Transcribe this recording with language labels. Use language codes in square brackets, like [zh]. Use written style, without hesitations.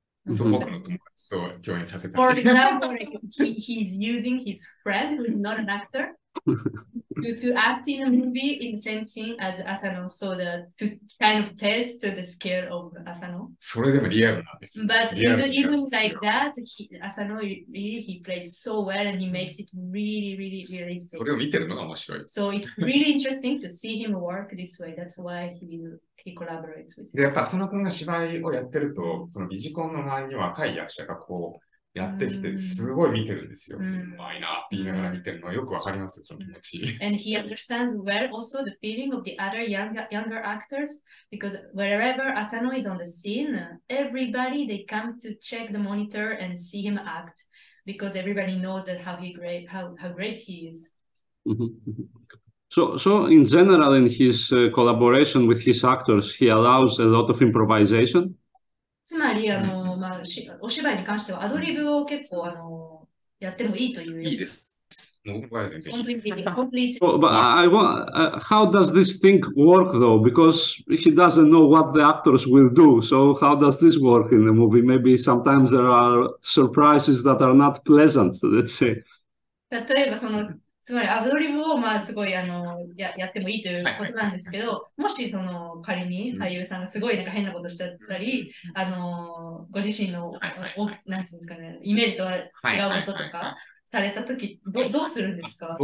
[en] For example, he's using his friend who's not an actor to act in a movie in the same scene as Asano, so that to kind of test the scale of Asano. But even like that, Asano really he plays so well and he makes it really, really realistic. So it's really interesting to see him work this way. That's why he collaborates with him. [ja] Asano君が芝居をやってると、そのビジコンの周りに若い役者がこう。やってきてすごい見てるんですよ。うまいなって言いながら見てるのはよくわかりますよ、その気持ち。 [en] And he understands well also the feeling of the other younger actors because wherever Asano is on the scene, everybody they come to check the monitor and see him act because everybody knows that how great he is. So in general, in his collaboration with his actors, he allows a lot of improvisation? [ja] つまりまあ、お芝居に関してはアドリブを結構やってもいいという。いいです。 [en] How does this thing work though? Because he doesn't know what the actors will do. So how does this work in the movie? Maybe sometimes there are surprises that are not pleasant, let's say. [ja] 例えばつまりアドリブをまあすごいやってもいいということなんですけど、もしその仮に俳優さんがすごいなんか変なことしちゃったり、ご自身のなんていうんですかね、イメージとは違うこととかされた時、どうするんですか？